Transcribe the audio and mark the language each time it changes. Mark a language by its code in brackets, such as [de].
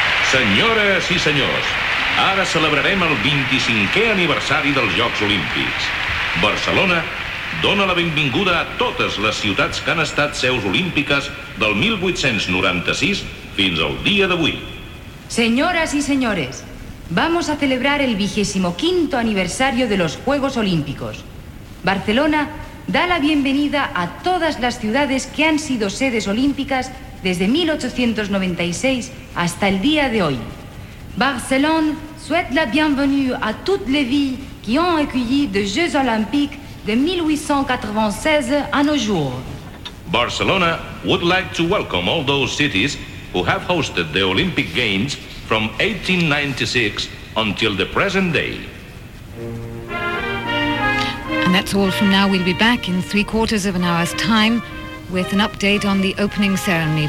[ca] Senyores i senyors, ara celebrarem el 25è aniversari dels Jocs Olímpics. Barcelona dona la benvinguda a totes les ciutats que han estat seus olímpiques del 1896 fins al dia d'avui. [es] Señoras y señores, vamos a celebrar el 25º aniversario de los Juegos Olímpicos. Barcelona da la bienvenida a todas las ciudades que han sido sedes olímpicas desde 1896 hasta el día de hoy. [fr] Barcelona souhaite la bienvenue a toutes les villes qui ont accueilli de Jeux Olympiques de 1896 à nos jours. [en] Barcelona would like to welcome all those cities who have hosted the Olympic Games from 1896 until the present day. And that's all from now. We'll be back in 3/4 of an hour's time with an update on the opening ceremony.